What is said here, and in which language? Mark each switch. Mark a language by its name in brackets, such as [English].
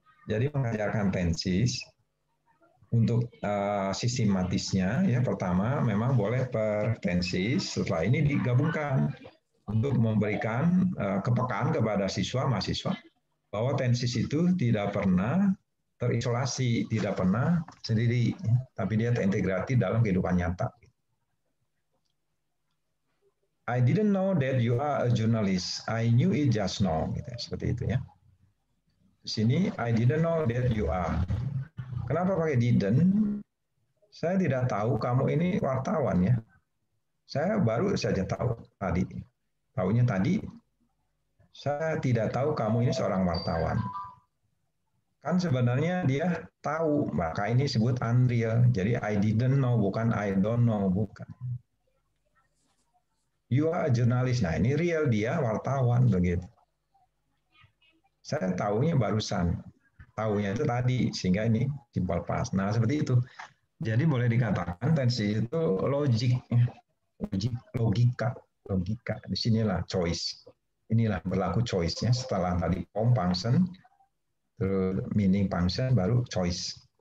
[Indonesian] Jadi mengajarkan tenses untuk sistematisnya, ya pertama memang boleh per tenses, setelah ini digabungkan untuk memberikan kepekaan kepada siswa mahasiswa bahwa tenses itu tidak pernah terisolasi, tidak pernah sendiri, ya, tapi dia terintegrasi dalam kehidupan nyata. [English] I didn't know that you are a journalist. I knew it just now. [Indonesian] Gitu, seperti itu ya. Di sini, [English] I didn't know that you are. [Indonesian] Kenapa pakai didn't? Saya tidak tahu kamu ini wartawan ya. Saya baru saja tahu tadi. Tahunya tadi. Saya tidak tahu kamu ini seorang wartawan. Kan sebenarnya dia tahu. Maka ini disebut unreal. Jadi [English] I didn't know, [Indonesian] bukan [English] I don't know. [Indonesian] Bukan. [English] You are a journalist. [Indonesian] Nah, ini real, dia wartawan begitu. Saya tahunya barusan. Tahunya itu tadi, sehingga ini simple past. Nah, seperti itu. Jadi boleh dikatakan tensi itu logik. Logika. Di sinilah choice. Inilah berlaku choice-nya setelah tadi form function, terus meaning function, baru choice.